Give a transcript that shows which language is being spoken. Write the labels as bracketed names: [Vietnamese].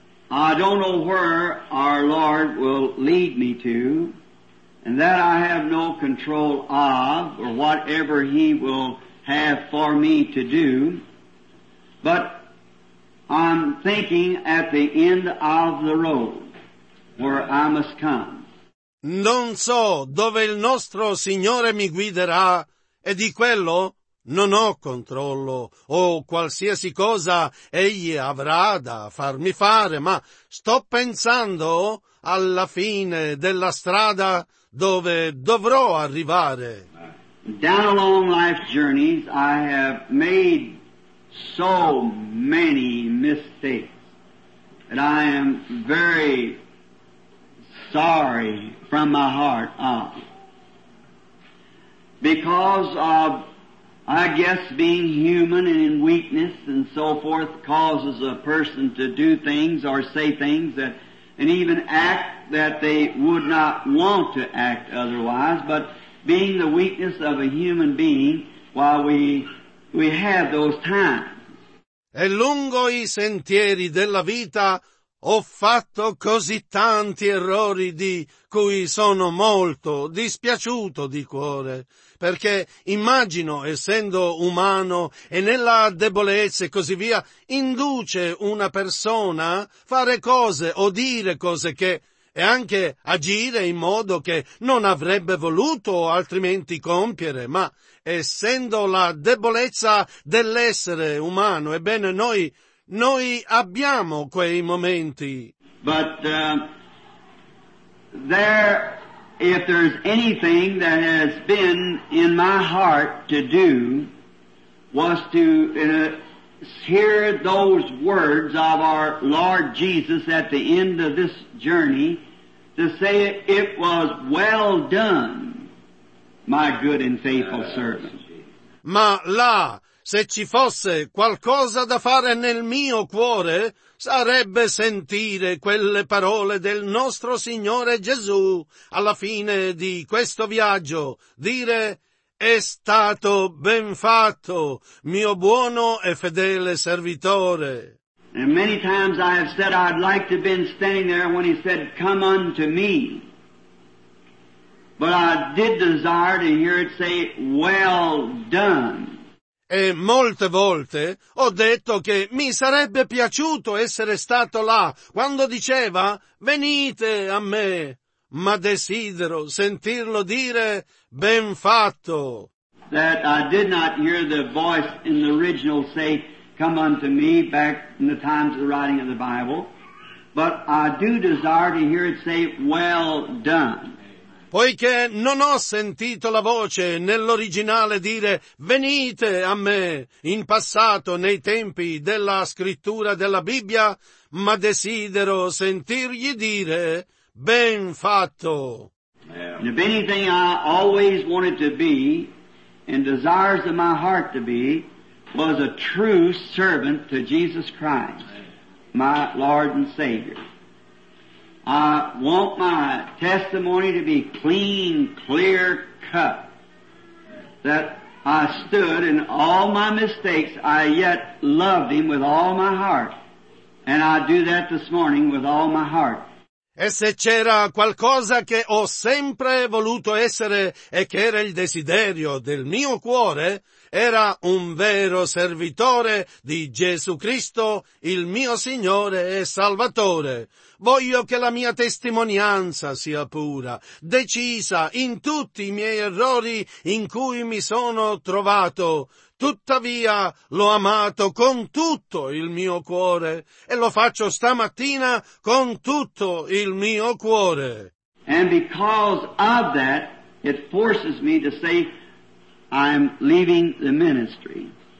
[English] I don't know where our Lord will lead me to, and that I have no control of, or whatever He will have for me to do, but I'm thinking at the end of the road where I must come. [Italian] Non so dove il nostro Signore mi guiderà, e di quello non ho controllo, o qualsiasi cosa Egli avrà da farmi fare, ma sto pensando alla fine della strada dove dovrò arrivare. [English] Down along life's journeys I have made so many mistakes, and I am very sorry from my heart of, because of, I guess, being human and in weakness and so forth causes a person to do things or say things that, and even act that they would not want to act otherwise, but being the weakness of a human being while we have those times. [Italian] E lungo i sentieri della vita ho fatto così tanti errori di cui sono molto dispiaciuto di cuore, perché immagino, essendo umano e nella debolezza e così via, induce una persona a fare cose o dire cose che, e anche agire in modo che non avrebbe voluto altrimenti compiere, ma essendo la debolezza dell'essere umano, ebbene noi abbiamo quei momenti. [English] But there, if there's anything that has been in my heart to do, was to hear those words of our Lord Jesus at the end of this journey, to say it was well done, my good and faithful servant. [Italian] Ma là, se ci fosse qualcosa da fare nel mio cuore, sarebbe sentire quelle parole del nostro Signore Gesù alla fine di questo viaggio, dire: è stato ben fatto, mio buono e fedele servitore. [English] And many times I have said I'd like to have been standing there when He said, come unto me. But I did desire to hear it say, well done. [Italian] E molte volte ho detto che mi sarebbe piaciuto essere stato là quando diceva venite a me, ma desidero sentirlo dire ben fatto. [English] That I did not hear the voice in the original say come unto me back in the times of the writing of the Bible, but I do desire to hear it say well done. [Italian] Poiché non ho sentito la voce nell'originale dire venite a me in passato nei tempi della scrittura della Bibbia, ma desidero sentirgli dire ben fatto. [English] And if anything I always wanted to be and desires of my heart to be was a true servant to Jesus Christ, my Lord and Savior. I want my testimony to be clean, clear cut, that I stood in all my mistakes, I yet loved Him with all my heart, and I do that this morning with all my heart. [Italian] E se c'era qualcosa che ho sempre voluto essere e che era il desiderio del mio cuore, era un vero servitore di Gesù Cristo, il mio Signore e Salvatore. Voglio che la mia testimonianza sia pura, decisa in tutti i miei errori in cui mi sono trovato. Tuttavia l'ho amato con tutto il mio cuore e lo faccio stamattina con tutto il mio cuore. [English] And because of that, it forces me to say I'm leaving the ministry.